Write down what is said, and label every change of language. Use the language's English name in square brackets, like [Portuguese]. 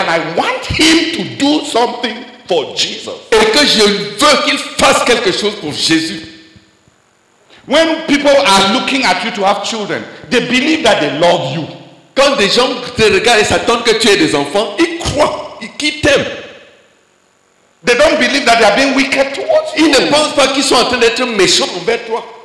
[English] and I want him to do something for Jesus. [French] Et que je veux qu'il fasse quelque chose pour Jésus. [English] When people are looking at you to have children, they believe that they love you. [French] Quand des gens te regardent et s'attendent que tu aies des enfants, ils croient qu'ils t'aiment. [English] They don't believe that they are being wicked towards you. [French] Ils ne pensent pas qu'ils sont en train d'être méchants envers toi.